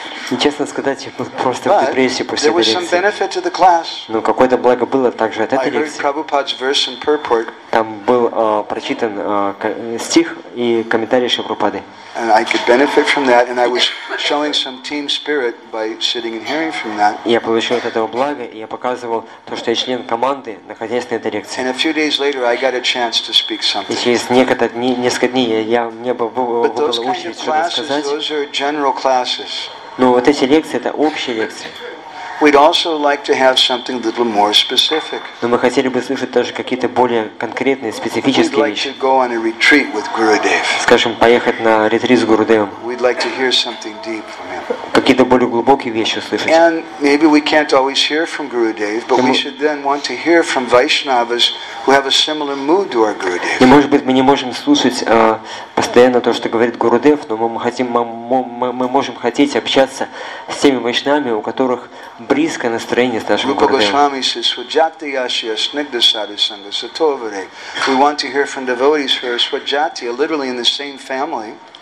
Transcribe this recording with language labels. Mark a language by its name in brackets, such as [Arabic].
[Russian] И честно сказать, я был просто [English] But [Russian] в депрессии после этой лекции. [English] Some benefit to the class. [Russian] Но какое-то благо было также от этой [English] I heard [Russian] лекции. [English] Prabhupada's verse and purport. [Russian] Там был прочитан стих и комментарий Шри Прабхупады. [English] And I could benefit from that, and I was showing some team spirit by sitting and hearing from that. [Russian] Я получил от этого благо, и я показывал то, что я член команды, находясь на этой лекции. [English] And a few days later, I got a chance to speak something. [Russian] И через несколько дней я не был в очереди, чтобы сказать. [English] Those are general classes. [Russian] Но вот эти лекции — это общие лекции. [English] We'd also like to have something a little more specific. [Russian] Но мы хотели бы слышать даже какие-то более конкретные, специфические вещи. [English] We'd like to go on a retreat with Gurudev. [Russian] Скажем, поехать на ретрит с Гурудевом. [English] We'd like to hear something deep from him. [Russian] Какие-то более глубокие вещи услышать. [English] And maybe we can't always hear from Gurudev, but we should then want to hear from Vaishnavas who have a similar mood to our Gurudev. [Russian] И может быть, мы не можем слушать постоянно то, что говорит Гурудев, но мы можем хотеть общаться с теми вайшнавами, у которых близкое настроение с нашим Гурудевом. [English] Rupa Goswami says, Swajati Yashya Snigda Sadhu Sangha Satovare. We want to hear from devotees who are Swajati, literally in the same family.